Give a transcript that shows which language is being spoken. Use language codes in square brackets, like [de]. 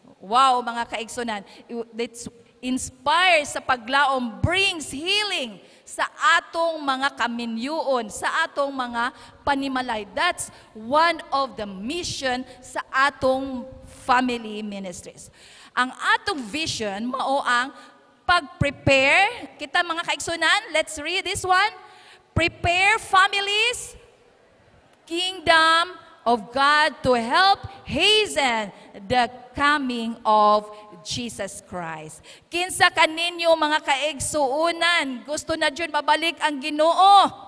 [ceb] Wow, mga kaigsunan. [en] It's inspire [ceb] sa paglaom, [en] brings healing [ceb] sa atong mga kaminyuon, sa atong mga panimalay. [en] That's one of the mission [ceb] sa atong [en] family ministries. [ceb] Ang atong vision, mao ang pag-prepare. Kita mga kaigsunan, [en] let's read this one. Prepare families, kingdom of God to help hasten the coming of Jesus Christ. [ceb] Kinsa kaninyo mga kaigsuunan, gusto na dyan mabalik ang Ginoo.